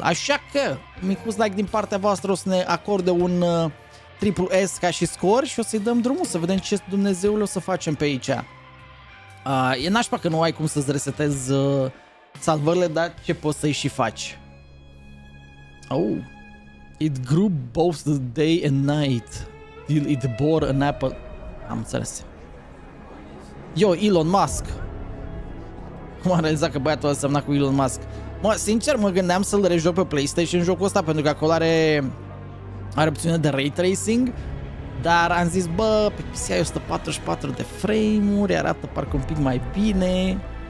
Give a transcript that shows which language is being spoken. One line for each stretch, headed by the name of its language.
Romanian: Așa că, un micuț like din partea voastră o să ne acorde un triple S ca și scor și o să-i dăm drumul să vedem ce Dumnezeule o să facem pe aici. E nașpa că nu ai cum să-ți resetezi salvările, dar ce poți să-i și faci?
English: Oh, it grew both the day and night, till it bore an apple.
Romanian: Am înțeles. Yo, Elon Musk! M-am realizat că băiatul ăla semna cu Elon Musk. Mă, sincer, mă gândeam să-l rejoc pe PlayStation jocul ăsta, pentru că acolo are opțiune de ray tracing. Dar am zis, bă, pe PC-ul ăsta 144 de frame-uri, arată parcă un pic mai bine.